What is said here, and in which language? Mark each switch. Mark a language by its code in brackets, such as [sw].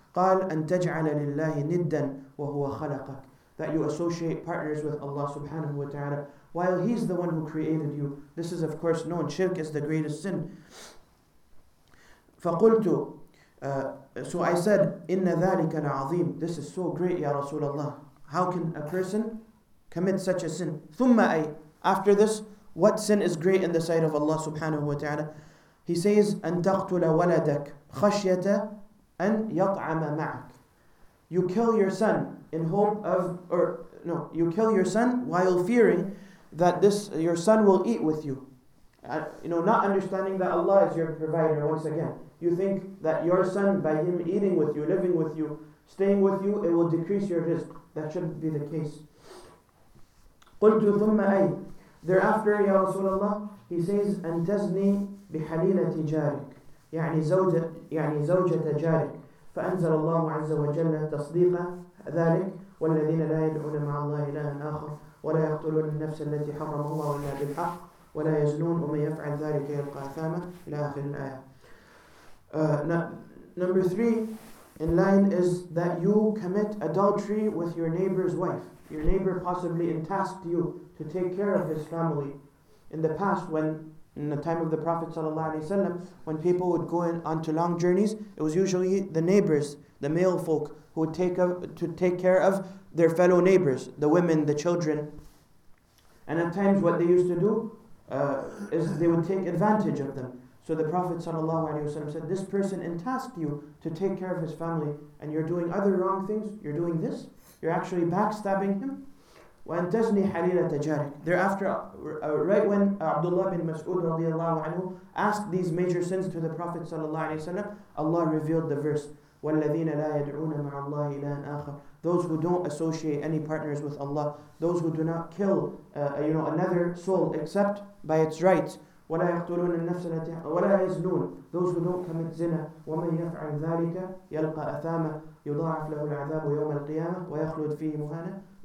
[ar] قال أن تجعل لله ندا وهو خلقك. [en] That you associate partners with Allah subhanahu wa ta'ala while He's the one who created you. This is of course known. Shirk is the greatest sin. [ar] فقلت [en] so I said, [ar] إن ذلك العظيم. [en] This is so great, Ya Rasulullah. How can a person commit such a sin? [ar] ثم أي. [en] After this, what sin is great in the sight of Allah subhanahu wa ta'ala? He says, [ar] أن تقتل ولدك خشية أن يطعم معك. [en] You kill your son in hope of, you kill your son while fearing that this your son will eat with you. You know, not understanding that Allah is your provider once again. You think that your son, by him eating with you, living with you, staying with you, it will decrease your risk. That shouldn't be the case. [ar] قلت ثم أي. [en] Thereafter, Ya Rasulullah, he says, [ar] أن تزني بحليلة جارك. يعني زوجة جارك. فأنزل الله عز وجل تصديق ذلك والذين لا يدعون مع الله إلها آخر ولا يقتلون النفس التي حرم الله إلا بالحق ولا يزنون ومن يفعل ذلك يلقى أثاما إلى آخر الآية. [en] Number three in line is that you commit adultery with your neighbor's wife. Your neighbor possibly entasked you to take care of his family. In the past, when in the time of the Prophet ﷺ, when people would go onto long journeys, it was usually the neighbors, the male folk, who would take care of their fellow neighbors, the women, the children. And at times what they used to do is they would take advantage of them. So the Prophet ﷺ said, this person entasked you to take care of his family and you're doing other wrong things, you're doing this, you're actually backstabbing him. [ar] وَأَنْتَزْنِي حَلِيلَةَ جَارِكَ. [en] Thereafter, right when Abdullah bin Mas'ud radiallahu anhu asked these major sins to the Prophet sallallahu alayhi wa sallam, Allah revealed the verse, [ar] وَالَّذِينَ لَا يَدْعُونَ مَعَ اللَّهِ إِلَىٰهًا آخَرَ. [en] Those who don't associate any partners with Allah, those who do not kill another soul except by its rights, [ar] وَلَا يَقْتُلُونَ النَّفْسَ لَتِي وَلَا يَزْنُونَ. [en] Those who don't commit zina, [ar] وَمَنْ يَفْعَلْ ذَلِكَ يَلْقَى أَثَامًا يُضَاعَفْ لَهُ الْعَذَابُ يَوْمَ الْقِيَامَةِ وَيَخْلُدْ فِيهِ مُهَانًا.